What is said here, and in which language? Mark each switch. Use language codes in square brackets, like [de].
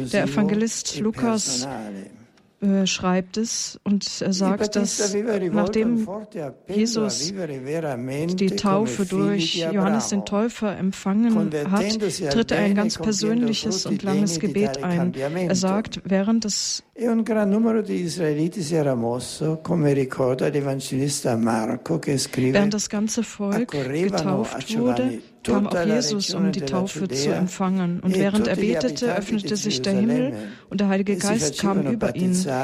[de] Der Evangelist Lukas schreibt es und er sagt, dass nachdem Jesus die Taufe durch Johannes den Täufer empfangen hat, tritt er ein ganz persönliches und langes Gebet ein. Er sagt, während des [it] E un gran numero di israeliti si era mosso, come ricorda l'evangelista Marco, che scrive: [de] Während das ganze Volk getauft wurde, kam auch Jesus, um die Taufe zu empfangen. Und während er betete, öffnete sich der Himmel und der Heilige Geist kam über ihn.